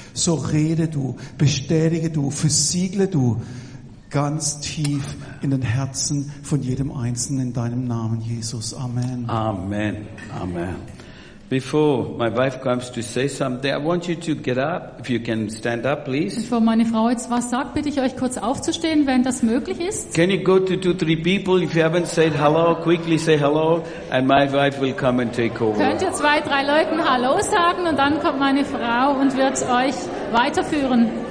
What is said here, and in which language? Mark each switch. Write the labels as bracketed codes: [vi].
[de] So rede du, bestätige du, versiegle du ganz tief in den Herzen von jedem Einzelnen in deinem Namen, Jesus. Amen. [en] Amen. Amen. Before my wife comes to say something, I want you to get up. If you can stand up, please. [de] Bevor meine Frau jetzt was sagt, bitte ich euch kurz aufzustehen, wenn das möglich ist. [en] Can you go to 2-3 people? If you haven't said hello, quickly say hello, and my wife will come and take over. [de] Könnt ihr 2-3 Leuten Hallo sagen, und dann kommt meine Frau und wird euch weiterführen.